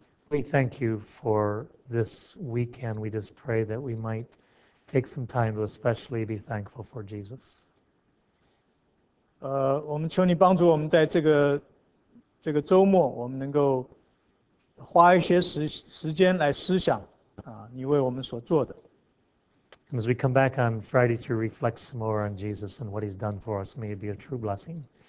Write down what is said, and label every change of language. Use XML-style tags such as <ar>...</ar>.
<en>We thank you for this weekend. We just pray that we might take some time to especially be thankful for Jesus.</en> <zh>我们求你帮助我们在这个周末，我们能够花一些时间来思想你为我们所做的。</zh> <en>And as we come back on Friday to reflect some more on Jesus and what he's done for us, may it be a true blessing.</en>